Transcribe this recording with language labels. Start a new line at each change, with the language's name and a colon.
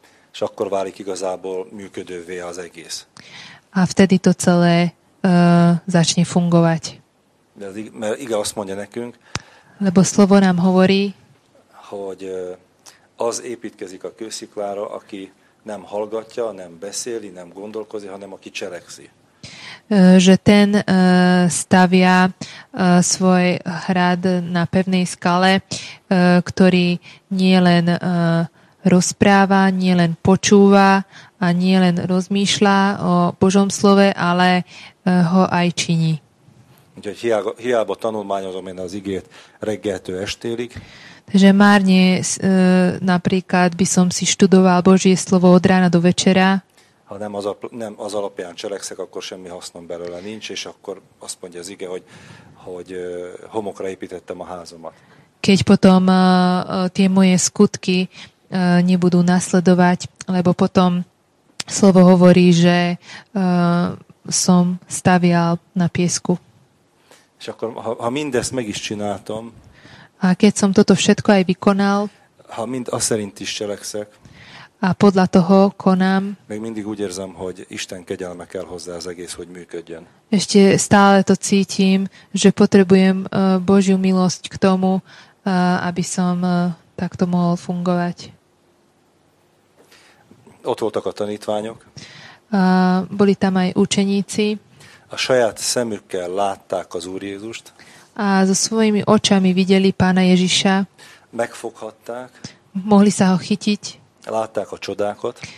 Hungarian: És akkor válik igazából működővé az egész.
Slovak: A vtedy to celé začne fungovať.
Hungarian: Mert Ige azt mondja nekünk,
Slovak: lebo slovo nám hovorí,
Hungarian: hogy az építkezik a kősziklára, aki nem hallgatja, nem beszéli, nem gondolkozi, hanem aki cselekszi.
Slovak: Že ten stavia svoj hrad na pevnej skale, ktorý nielen rozpráva, nielen počúva a nielen rozmýšľa o Božom slove, ale ho aj činí.
Hungarian: Úgyhogy hiába tanulmányozom én az igét reggeltől estélig.
Slovak: Takže márne napríklad by som si študoval Božie slovo od rána do večera.
Hungarian: Ha nem az, nem az alapján cselekszek, akkor semmi hasznom belőle nincs, és akkor azt mondja az ige, hogy homokra építettem a házomat.
Slovak: Keď potom tie moje skutky nebudú nasledovať, lebo potom slovo hovorí, že som stavial na piesku.
Hungarian: És akkor, ha mindezt meg is csináltam,
Slovak: a keď som toto všetko aj vykonal,
Hungarian: ha mind azt szerint is cselekszek,
Slovak: a podľa toho konám,
Hungarian: meg mindig úgy érzem, hogy Isten kegyelme kell hozzá az egész, hogy működjön.
Slovak: Ešte stále to cítim, že potrebujem Božiu milosť k tomu, aby som takto mohol fungovať.
Hungarian: Ott voltak a tanítványok.
Slovak: Boli tam aj učeníci.
Hungarian: A saját szemükkel látták az Úr Jézust.
Slovak: A so svojimi očami videli Pána Ježiša.
Hungarian: Megfoghatták.
Slovak: Mohli sa ho chytiť.
Hungarian: Látták a csodákat.